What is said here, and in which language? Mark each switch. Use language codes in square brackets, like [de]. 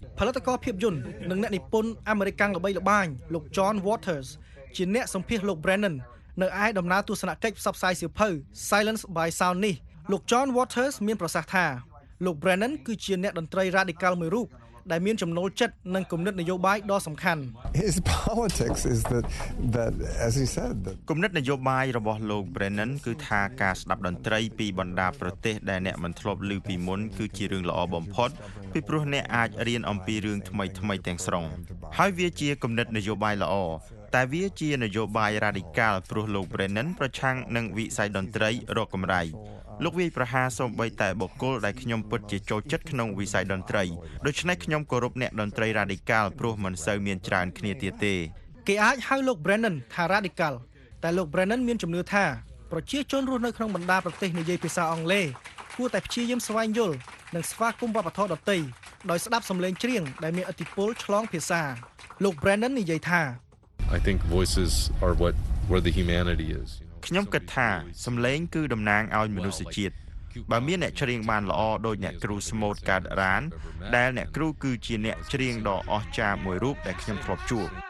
[km] ផលិតករភាពយន្តនិងអ្នកនិពន្ធអាមេរិកកាំងល្បីល្បាញលោក John Waters ជាអ្នកសម្ភាសលោក Brennan នៅឯដំណើរទស្សនកិច្ចផ្សព្វផ្សាយសៀវភៅ Silence by Sound នេះលោក John Waters មានប្រសាសន៍ថាលោក Brennan គឺជាអ្នកតន្ត្រី Radical មួយរូបដែលមានចំណូលចិត្តនិងគំនិតនយោបាយដ៏សំខាន់ [en] His politics is that as he said that [km] គំនិតនយោបាយរបស់លោក Brennan គឺថាការស្ដាប់តន្ត្រីពីបណ្ដាប្រទេសដែលអ្នកមិនធ្លាប់ឮពីមុនគឺជារឿងល្អបំផុតពីព្រោះអ្នកអាចរៀនអំពីរឿងថ្មីថ្មីទាំងស្រុងហើយវាជាគំនិតនយោបាយល្អតែវាជានយោបាយ radical ព្រោះលោក Brennan ប្រឆាំងនឹងវិស័យតន្ត្រីរកកម្រៃលោកវាយប្រហារសំបីតែបុគ្គលដែលខ្ញុំពិតជាចូលចិត្តក្នុងវិស័យតន្ត្រីដូច្នេះខ្ញុំគោរពអ្នកតន្ត្រី radical ព្រោះមិនសូវមានច្រើនគ្នាទៀតទេ គេអាចហៅលោក Brennan ថា radical តែលោក Brennan មានជំនឿថាប្រជាជនរស់នៅក្នុងបណ្ដាប្រទេសនិយាយភាសាអង់គ្លេសួរតែព្យាយាមស្វែងយល់និងស្វាគមន៍វប្បធម៌ដទៃដោយស្ដាប់សំឡេងច្រៀងដែលមានឥទ្ធិពលឆ្លងភាសាលោក Brandon និយាយថា [en] I think voices are what where the humanity is you know [km] ខ្ញុំគិតថាសំឡេងគឺតំណាងឲ្យមនុស្សជាតិបើមានអ្នកច្រៀងបានល្អដោយអ្នកគ្រូស្មូតកាតរ៉ានដែលអ្នកគ្រូគឺជាអ្នកច្រៀងដ៏អស្ចារ្យមួយរូបដែលខ្ញុំធ្លាប់ជួប